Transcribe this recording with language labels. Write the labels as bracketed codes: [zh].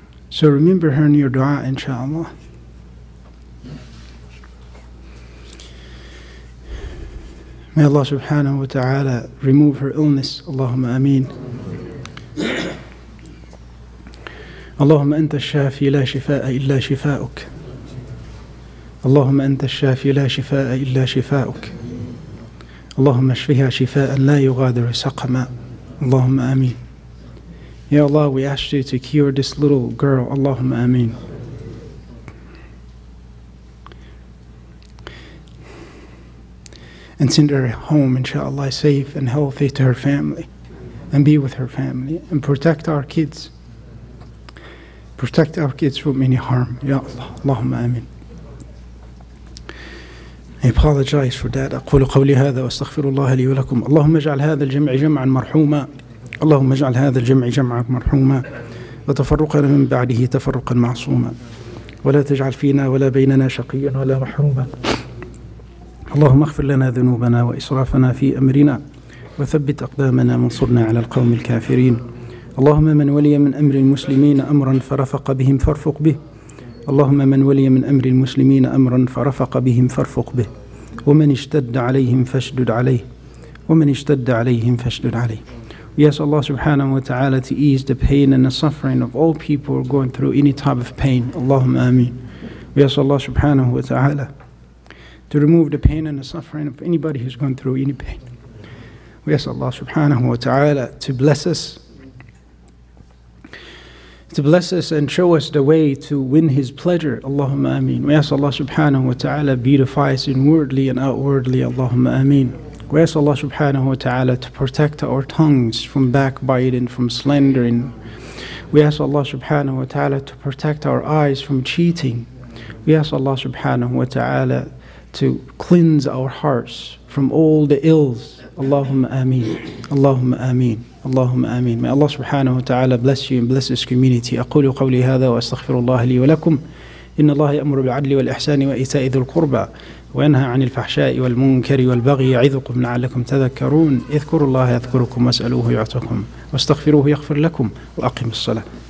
[en] So remember her in your dua, inshallah. May Allah subhanahu wa ta'ala remove her illness. Allahumma ameen. [ar] اللهم أنت الشافي لا شفاء إلا شفاؤك اللهم أنت الشافي لا شفاء إلا شفاؤك اللهم اشفها شفاء لا يغادر سقما اللهم آمين. [en] يا الله, we asked you to cure this little girl. [ar] اللهم آمين. [en] And send her home, inshallah, safe and healthy to her family, and be with her family, and protect our kids. Protect our kids from any harm. Ya Allah, Allahumma amin. I apologize for that. [ar] أقول قولي هذا واستغفر الله لي ولكم. اللهم اجعل هذا الجمع جمعا مرحوما. اللهم اجعل هذا الجمع جمعا مرحوما. وتفرقنا من بعده تفرقا معصوما. ولا تجعل فينا ولا بيننا شقيا ولا محروما. اللهم اغفر لنا ذنوبنا وإسرافنا في أمرنا. وثبت أقدامنا وانصرنا على القوم الكافرين. اللهم من ولي من أمر المسلمين أمرا فرفق بهم فارفق به. اللهم من ولي من أمر المسلمين أمرا فرفق بهم فارفق به. ومن اشتد عليهم فاشدد عليه. ومن اشتد عليهم فاشدد عليه. [en] We ask Allah subhanahu wa ta'ala to ease the pain and the suffering of all people going through any type of pain. Allahumma ameen. We ask Allah subhanahu wa ta'ala to remove the pain and the suffering of anybody who's going through any pain. We ask Allah subhanahu wa ta'ala to bless us. To bless us and show us the way to win His pleasure. Allahumma ameen. We ask Allah subhanahu wa ta'ala beautify us inwardly and outwardly. Allahumma ameen. We ask Allah subhanahu wa ta'ala to protect our tongues from backbiting, from slandering. We ask Allah subhanahu wa ta'ala to protect our eyes from cheating. We ask Allah subhanahu wa ta'ala to cleanse our hearts from all the ills. Allahumma ameen. Allahumma ameen. اللهم آمين. May Allah subhanahu wa ta'ala bless you and bless this community. [ar] أقول قولي هذا وأستغفر الله لي ولكم. إن الله يأمر بالعدل والإحسان وإيتاء ذي القربى وينهى عن الفحشاء والمنكر والبغي يعظكم لعلكم تذكرون. اذكروا الله يذكركم واسألوه يعطكم واستغفروه يغفر لكم وأقم الصلاة.